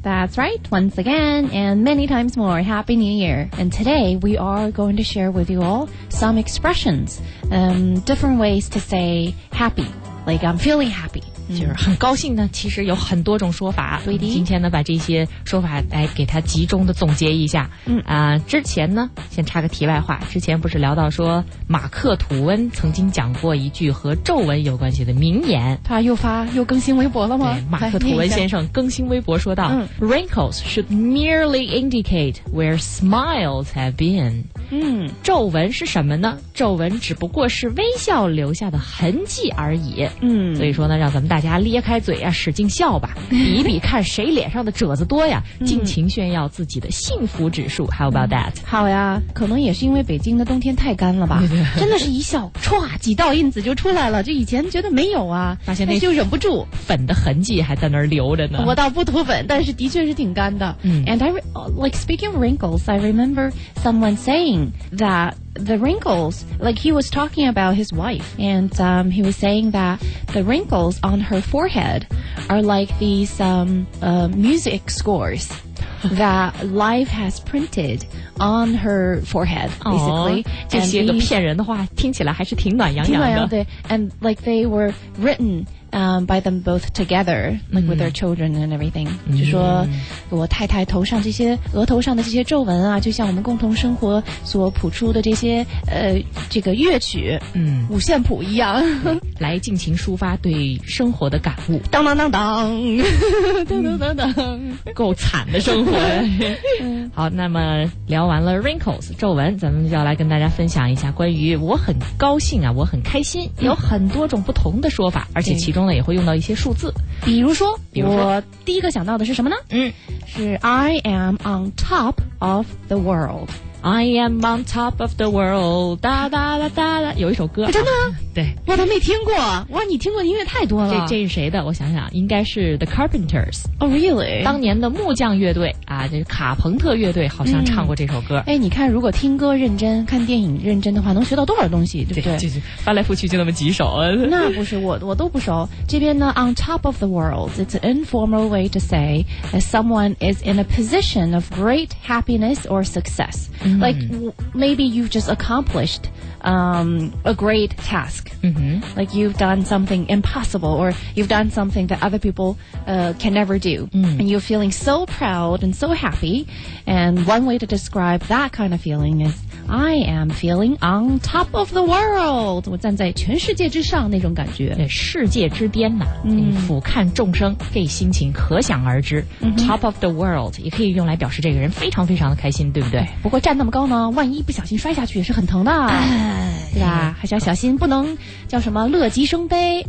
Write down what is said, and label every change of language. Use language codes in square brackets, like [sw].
[en] That's right, once again, and many times more, Happy New Year. And today, we are going to share with you all some expressions, different ways to say happy, like I'm feeling happy. [zh] 就是很高兴呢，其实有很多种说法。对的，今天呢把这些说法来给它集中的总结一下。之前呢先插个题外话，之前不是聊到说马克吐温曾经讲过一句和皱纹有关系的名言，他又更新微博了吗？对，马克吐温先生更新微博说道， Wrinkles should merely indicate where smiles have been。皱纹是什么呢？皱纹只不过是微笑留下的痕迹而已。所以说呢，让咱们大家咧开嘴啊，使劲笑吧，比比看谁脸上的褶子多呀，尽情炫耀自己的幸福指数。 [en] How about that？ [zh] 好呀，可能也是因为北京的冬天太干了吧，真的是一笑，歘，几道印子就出来了。这以前觉得没有啊，发现那就忍不住，粉的痕迹还在那儿留着呢。我倒不涂粉，但是的确是挺干的。 [en] And I like speaking of wrinkles, I remember someone saying. That the wrinkles, like he was talking about his wife, and he was saying that the wrinkles on her forehead are like these music scores that life has printed on her forehead, basically. [zh] 这些个骗人的话听起来还是挺暖洋洋的。挺暖洋的。 [en] And like they were written by them both together, like with their children and everything. [zh] 就说我太太头上这些额头上的这些皱纹啊，就像我们共同生活所谱出的这些这个乐曲，五线谱一样，来尽情抒发对生活的感悟。当当当当，当当当当，够惨的生活。好，那么聊完了 wrinkles 皱纹，咱们就要来跟大家分享一下关于我很高兴啊，我很开心，有很多种不同的说法，而且其中呢也会用到一些数字，比如说我第一个想到的是什么呢？ [en] 是 I am on top of the world. I am on top of the world. 哒哒哒哒哒，有一首歌、 [zh] 真的？对，我都没听过。哇，你听过的音乐太多了。这是谁的？我想想，应该是 The Carpenters. [en] Oh, really? [zh] 当年的木匠乐队啊，就是卡朋特乐队，好像唱过这首歌。哎，你看，如果听歌认真，看电影认真的话，能学到多少东西，对不对？翻来覆去就那么几首。那不是，我都不熟。 [en] 这边呢，on top of the world, it's an informal way to say that someone is in a position of great happiness or success. Mm-hmm. Like, maybe you've just accomplished a great task. Mm-hmm. Like, you've done something impossible, or you've done something that other people can never do. Mm. And you're feeling so proud and so happy. And one way to describe that kind of feeling is, I am feeling on top of the world. [zh] 我站在全世界之上那种感觉。对，世界之巅呐，俯瞰众生，这心情可想而知。 Mm-hmm. Top of the world 也可以用来表示这个人非常非常的开心，对不对？不过站那么高呢，万一不小心摔下去也是很疼的，对吧？还是要小心，不能叫什么乐极生悲。